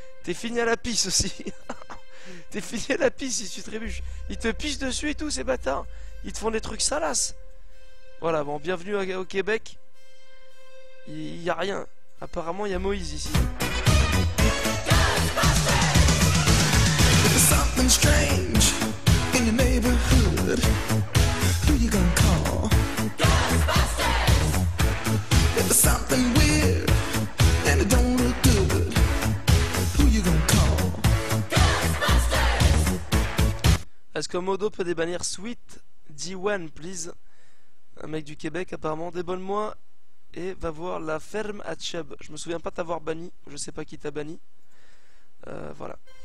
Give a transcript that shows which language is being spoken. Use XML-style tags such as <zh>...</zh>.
<fr>T'es fini à la pisse aussi. T'es fini à la pisse si tu trébuches. Ils te pissent dessus et tout, ces bâtards. Ils te font des trucs salaces. Voilà, bon, bienvenue au Québec. Il y a rien. Apparemment, il y a Moïse ici.</fr> <en>Something strange in your neighborhood. Who you gonna call? Ghostbusters. Something weird and it don't look good. Who you gonna call? Ghostbusters.</en> <fr>Est-ce que Modo peut débannir Sweet D1, please? Un mec du Québec, apparemment, débonne-moi et va voir la ferme à Cheb. Je me souviens pas t'avoir banni. Je sais pas qui t'a banni. Voilà.</fr>